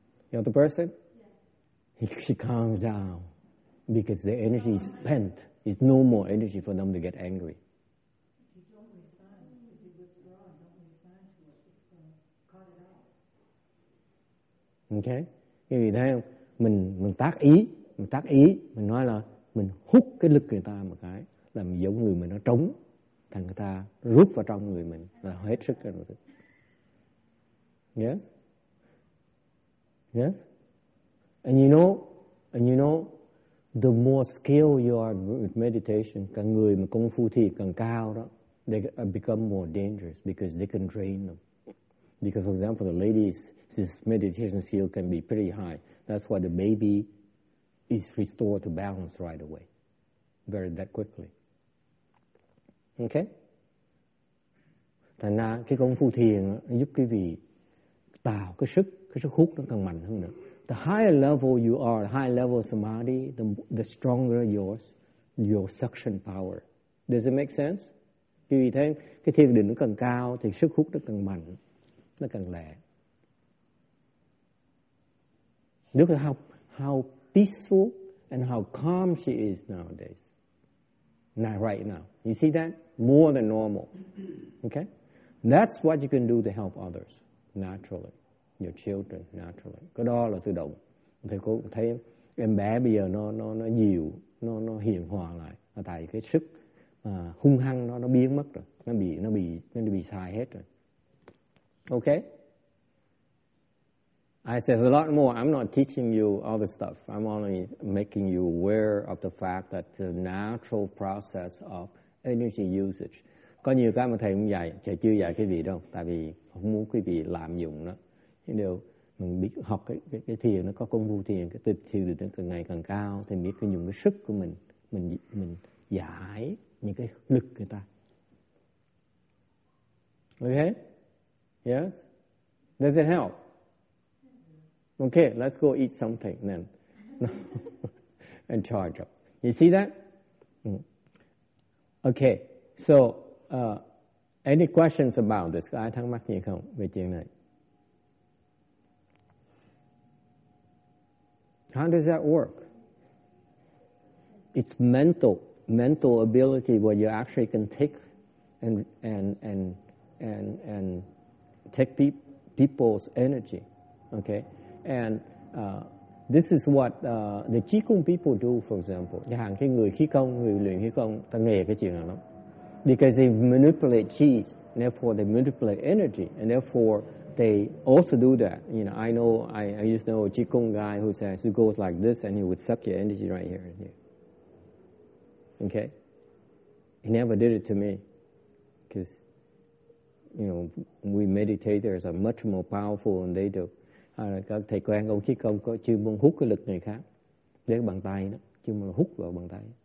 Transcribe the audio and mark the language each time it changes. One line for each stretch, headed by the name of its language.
English: The other person? Yeah. She calms down because the energy is spent. It's no more energy for them to get angry. If you don't respond, if you withdraw and don't respond to it, it's going to cut it out.
Vietnamese: Okay? Vì thấy không? Mình tác ý, mình nói là mình hút cái lực người ta một cái, làm giống người mình nó trống, thằng người ta rút vào trong người mình, là hết sức rồi.
English: Yes? Yes? And you know, the more skill you are with meditation,
Vietnamese: càng người mà công phu thì càng cao đó,
English: they become more dangerous because they can drain them. Because, for example, the ladies, this meditation skill can be pretty high. That's why the baby is restored to balance right away, very that quickly. Okay?
Vietnamese: Thành ra, cái công phu thiền giúp quý vị tạo cái sức hút nó càng mạnh hơn nữa.
English: The higher level you are, the higher level samadhi, the stronger your suction power. Does it make sense?
Vietnamese: Quý vị thấy, cái thiền định nó càng cao, thì sức hút nó càng mạnh, nó càng lẹ.
English: Look at how peaceful and how calm she is nowadays. Not right now. You see that? More than normal. Okay? That's what you can do to help others, naturally. Your children, naturally.
Vietnamese: Cái đó là tự động. Thầy cô thấy em bé bây giờ nó dịu, nó hiền hòa lại. Tại cái sức hung hăng nó biến mất rồi. Nó bị xài hết rồi. Okay?
English: I said a lot more. I'm not teaching you all the stuff. I'm only making you aware of the fact that the natural process of energy usage.
Vietnamese: Có nhiều cái mà thầy cũng dạy, thầy chưa dạy quý vị đâu. Tại vì không muốn quý vị lạm dụng nó. Những điều mình biết học cái thiền nó có công phu thiền, cái tịch thiền được càng ngày càng cao, thì biết cái dùng cái sức của mình giải những cái lực người ta.
English: Okay? Yes? Does it help? Okay, let's go eat something then. And charge up. You see that? Okay, so any questions about this?
Vietnamese: Có ai thắc mắc gì không về chuyện này?
English: How does that work? It's mental ability where you actually can take and take people's energy, okay? And this is what the Qigong people do, for example.
Vietnamese: Chẳng hạn cái người khí công, người luyện khí công, ta nghề cái chuyện này lắm.
English: Because they manipulate chi, therefore they manipulate energy, and therefore they also do that. You know, I used to know a Qigong guy who says he goes like this and he would suck your energy right here and here. Okay? He never did it to me. Because, you know, we meditators are much more powerful than they do.
Vietnamese: Các thầy quen ông Qigong có chuyên môn hút cái lực người khác lấy bàn tay đó, chuyên môn hút vào bàn tay.